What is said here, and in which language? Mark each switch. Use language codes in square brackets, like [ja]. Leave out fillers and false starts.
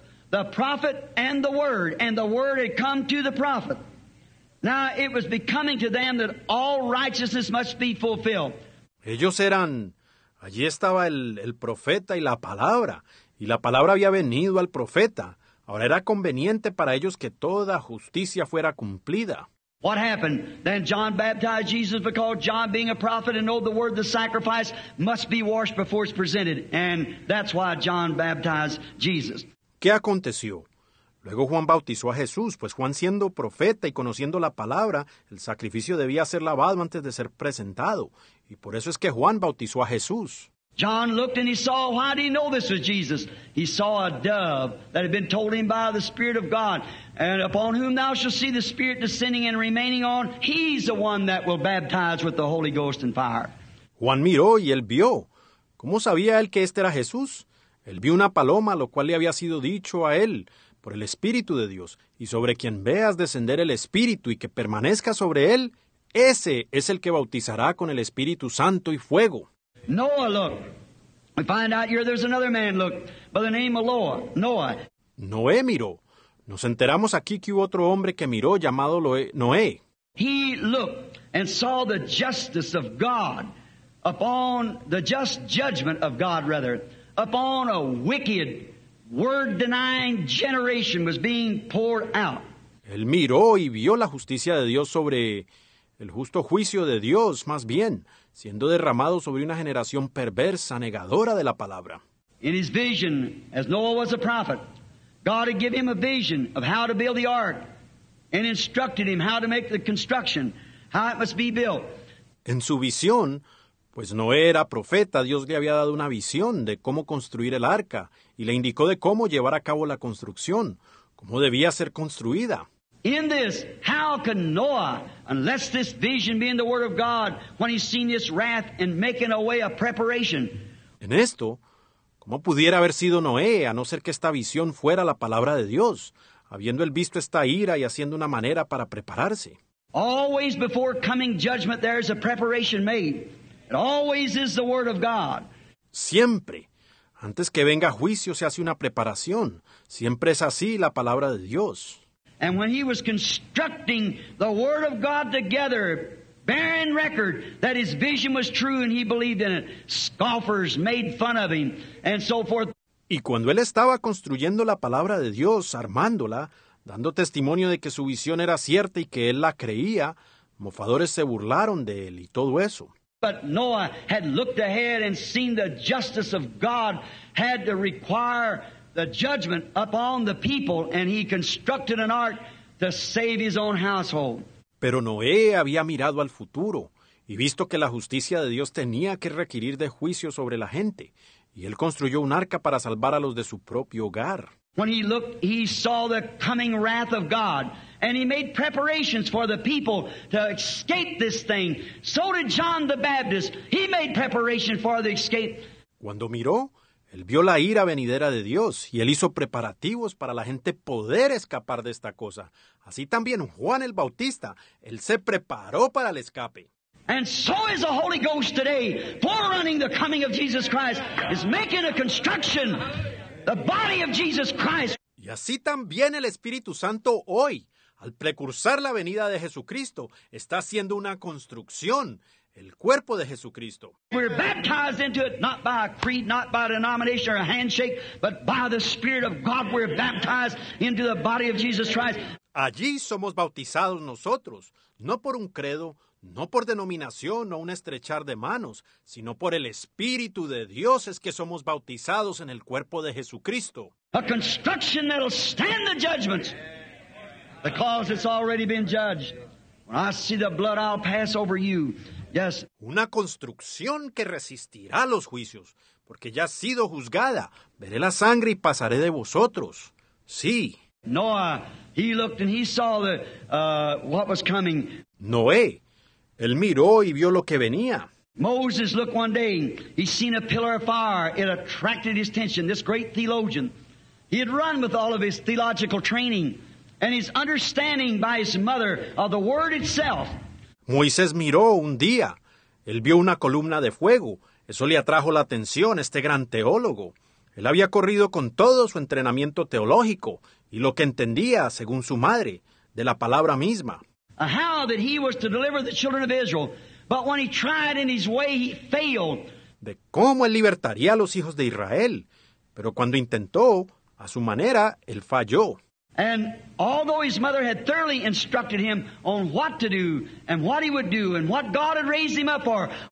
[en] The prophet and the word had come to the prophet. Now it was becoming to them that all righteousness must be fulfilled. [es] Ellos eran, allí estaba el profeta y la palabra había venido al profeta. Ahora era conveniente para ellos que toda justicia fuera cumplida. [en] What happened? Then John baptized Jesus because John, being a prophet and knowing the word, the sacrifice must be washed before it's presented. And that's why John baptized Jesus. [es] ¿Qué aconteció? Luego Juan bautizó a Jesús, pues Juan, siendo profeta y conociendo la palabra, el sacrificio debía ser lavado antes de ser presentado. Y por eso es que Juan bautizó a Jesús. [en] John looked and he saw, why did he know this was Jesus? He saw a dove that had been told him by the Spirit of God. And upon whom thou shalt see the Spirit descending and remaining on, he's the one that will baptize with the Holy Ghost and fire. [es] Juan miró y él vio. ¿Cómo sabía él que este era Jesús? Él vio una paloma, lo cual le había sido dicho a él por el Espíritu de Dios. Y sobre quien veas descender el Espíritu y que permanezca sobre él, ese es el que bautizará con el Espíritu Santo y fuego. [en] Noah looked. We find out here there's another man looked by the name of Noah. [es] Noé miró. Nos enteramos aquí que hubo otro hombre que miró llamado Noé. [en] He looked and saw the justice of God upon the just judgment of God, rather, upon a wicked, word-denying generation was being poured out. [es] Él miró y vio la justicia de Dios sobre el justo juicio de Dios, más bien, siendo derramado sobre una generación perversa, negadora de la palabra. [en] In his vision, as Noah was a prophet, God had given him a vision of how to build the ark and instructed him how to make the construction, how it must be built. [es] En su visión, pues Noé era profeta, Dios le había dado una visión de cómo construir el arca y le indicó de cómo llevar a cabo la construcción, cómo debía ser construida. [en] In this, how can Noah, unless this vision be in the word of God, when he's seen this wrath and making a way of preparation? [es] En esto, ¿cómo pudiera haber sido Noé, a no ser que esta visión fuera la palabra de Dios, habiendo él visto esta ira y haciendo una manera para prepararse? [en] Always before coming judgment, there is a preparation made. It always is the word of God. [es] Siempre, antes que venga juicio, se hace una preparación. Siempre es así la palabra de Dios. [en] And when he was constructing the word of God together, bearing record that his vision was true and he believed in it, scoffers made fun of him, and so forth. [es] Y cuando él estaba construyendo la palabra de Dios, armándola, dando testimonio de que su visión era cierta y que él la creía, mofadores se burlaron de él y todo eso. [en] But Noah had looked ahead and seen the justice of God had to require the judgment upon the people, and he constructed an ark to save his own household. [es] Pero Noé había mirado al futuro y visto que la justicia de Dios tenía que requerir de juicio sobre la gente, y él construyó un arca para salvar a los de su propio hogar. [en] When he looked, he saw the coming wrath of God, and he made preparations for the people to escape this thing. So did John the Baptist. He made preparation for the escape. [es] Cuando miró, él vio la ira venidera de Dios, y él hizo preparativos para la gente poder escapar de esta cosa. Así también Juan el Bautista, él se preparó para el escape. [en] And so is the Holy Ghost today, forerunning the coming of Jesus Christ, is making a construction, the body of Jesus Christ. [es] Y así también el Espíritu Santo hoy, al precursar la venida de Jesucristo, está haciendo una construcción. El cuerpo de Jesucristo. [en] We're baptized into it, not by a creed, not by a denomination or a handshake, but by the Spirit of God. We're baptized into the body of Jesus Christ. [es] Allí somos bautizados nosotros, no por un credo, no por denominación o un estrechar de manos, sino por el Espíritu de Dios es que somos bautizados en el cuerpo de Jesucristo. [en] A construction that'll stand the judgment, because it's already been judged. When I see the blood, I'll pass over you. Yes. [es] Una construcción que resistirá los juicios, porque ya ha sido juzgada. Veré la sangre y pasaré de vosotros. Sí. [en] Noah, he looked and he saw the what was coming. [es] Noé, él miró y vio lo que venía. [en] Moses looked one day. He seen a pillar of fire. It attracted his attention. This great theologian, he had run with all of his theological training and his understanding by his mother of the word itself. [es] Moisés miró un día. Él vio una columna de fuego. Eso le atrajo la atención, este gran teólogo. Él había corrido con todo su entrenamiento teológico y lo que entendía, según su madre, de la palabra misma. [en] How that he was to deliver the children of Israel, but when he tried in his way, he failed. [es] De cómo él libertaría a los hijos de Israel. Pero cuando intentó, a su manera, él falló. [en] And although his mother had thoroughly instructed him on what to do and what he would do and what God had raised him up for.